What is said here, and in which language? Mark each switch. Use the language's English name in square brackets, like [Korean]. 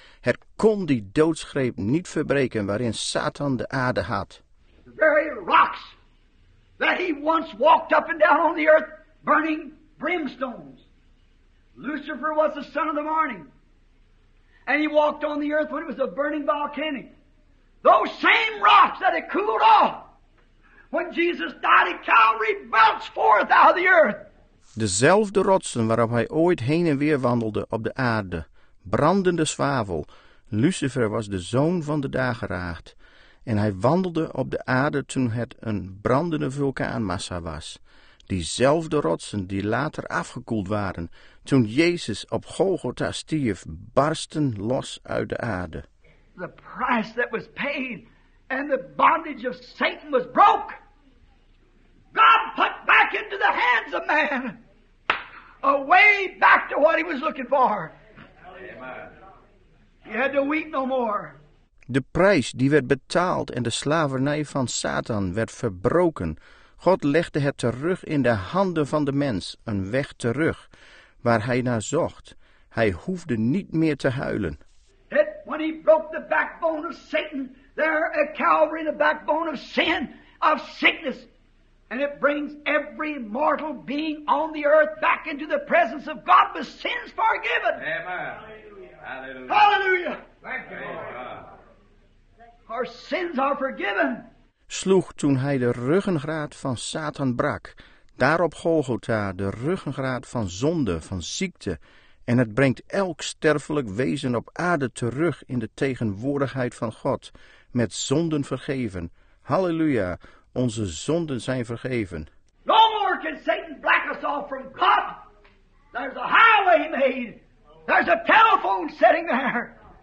[Dutch] Het kon die doodsgreep niet verbreken waarin Satan de aarde had. [English] The very rocks that he once walked up and down on the earth burning brimstones. Lucifer was the son of the morning. And he walked on the earth when it was a burning volcano. Those same rocks that had cooled off when Jesus died at Calvary melts forth out of the earth. [Dutch] Dezelfde rotsen waarop hij ooit heen en weer wandelde op de aarde. Brandende zwavel. Lucifer was de zoon van de dageraad. En hij wandelde op de aarde toen het een brandende vulkaanmassa was. Diezelfde rotsen die later afgekoeld waren toen Jezus op Golgotha stierf, barsten los uit de aarde. [English] The price that was paid and the bondage of Satan was broke. God put back into the hands of man a way back to what he was looking for. Amen. He had to weep no more. [Dutch] De prijs die werd betaald en de slavernij van Satan werd verbroken. God legde het terug in de handen van de mens, een weg terug waar hij naar zocht. Hij hoefde niet meer te huilen. [English] When he broke the backbone of Satan, there at Calvary, the backbone of sin, of sickness. And it brings every mortal being on the earth back into the presence of God with sins forgiven. Amen. Hallelujah. Hallelujah. Hallelujah. Thank you, Lord. Our sins are forgiven. [Dutch] Sloeg toen hij de ruggengraat van Satan brak, daar op Golgotha de ruggengraat van zonde, van ziekte, en het brengt elk sterfelijk wezen op aarde terug in de tegenwoordigheid van God, met zonden vergeven. Halleluja, onze zonden zijn vergeven. [English] No more can Satan black us off from God. There's a highway made. There's a telephone sitting there.